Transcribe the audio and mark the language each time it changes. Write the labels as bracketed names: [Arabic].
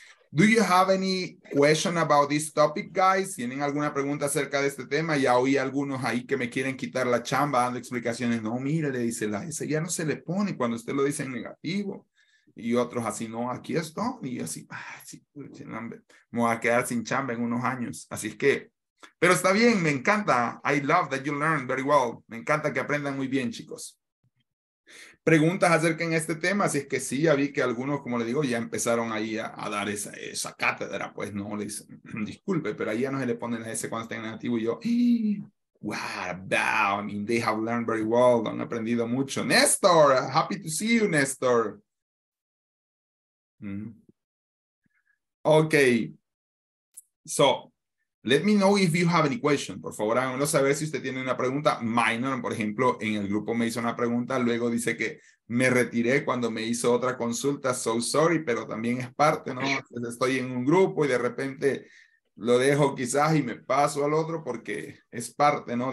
[English] Do you have any question about this topic, guys? [Spanish] ¿Tienen alguna pregunta acerca de este tema? Ya oí algunos ahí que me quieren quitar la chamba dando explicaciones. No, mire, le dice la S, ya no se le pone cuando usted lo dice en negativo. Y otros así, no, aquí estoy. Y yo así, ah, sí, me voy a quedar sin chamba en unos años. Así es que, pero está bien, me encanta. [English] I love that you learn very well. [Spanish] Me encanta que aprendan muy bien, chicos. Preguntas acerca en este tema, si es que sí, ya vi que algunos, como le digo, ya empezaron ahí a dar esa cátedra, pues no, les disculpe, pero ahí ya no se le pone la S cuando está en negativo, y yo, [English] what about, I mean, they have learned very well, [Spanish] han aprendido mucho. [English] Néstor, happy to see you, Néstor. Ok, so, let me know if you have any question. [Spanish] Por favor, háganmelo saber si usted tiene una pregunta. Minor, por ejemplo, en el grupo me hizo una pregunta. Luego dice que me retiré cuando me hizo otra consulta. [English] So sorry, [Spanish] pero también es parte, ¿no? Pues estoy en un grupo y de repente lo dejo quizás y me paso al otro porque es parte, ¿no?